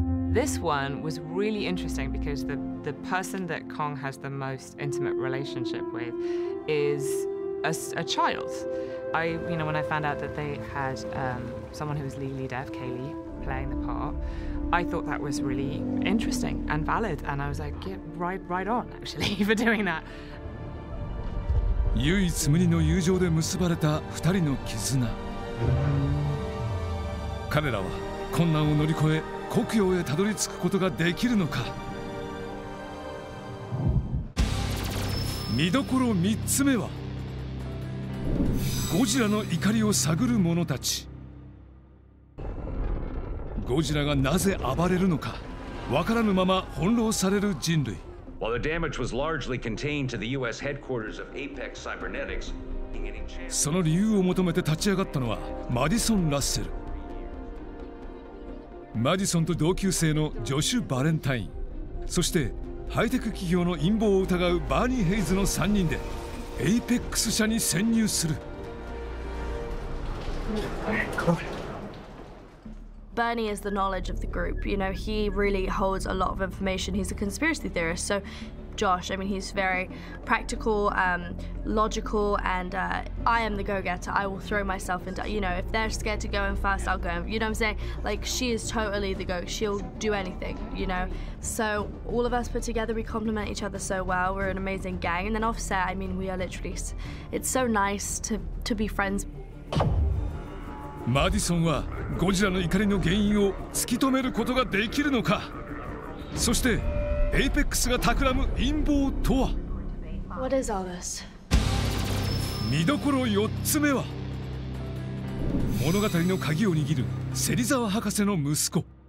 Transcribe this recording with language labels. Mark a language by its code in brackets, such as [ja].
[en] This one was really interesting because the person that Kong has the most intimate relationship with is a child. I, you know, when I found out that they had someone who was legally deaf, Kaylee, playing the part, I thought that was really interesting and valid. And I was like, yeah, right on, actually, for doing that. [ja] 唯一無二の友情で結ばれた二人の絆。彼らは困難を乗り越え故郷へたどり着くことができるのか。見どころ3つ目は、ゴジラの怒りを探る者たち。ゴジラがなぜ暴れるのか分からぬまま翻弄される人類。 [en] While the damage was largely contained to the US headquarters of Apex Cybernetics, [ja] その理由を求めて立ち上がったのはマディソン・ラッセル。マディソンと同級生のジョシュ・バレンタイン、そしてハイテク企業の陰謀を疑うバーニー・ヘイズの3人でエイペックス社に潜入する。 [en] バーニー is the knowledge of the group. You know, he really holds a lot of information. He's a conspiracy theorist. So Josh, I mean, he's very practical, logical, and I am the go-getter. I will throw myself into, you know, if they're scared to go in first, I'll go in. You know what I'm saying? Like, she is totally the go. She'll do anything, you know? So all of us put together, we complement each other so well. We're an amazing gang. And then offset, I mean, we are literally, it's so nice to be friends. [ja] マディソンはゴジラの怒りの原因を突き止めることができるのか。そして、エイペックスが企む陰謀とは。 [en] What is all this? [ja] 見どころ4つ目は、物語の鍵を握る芹沢博士の息子。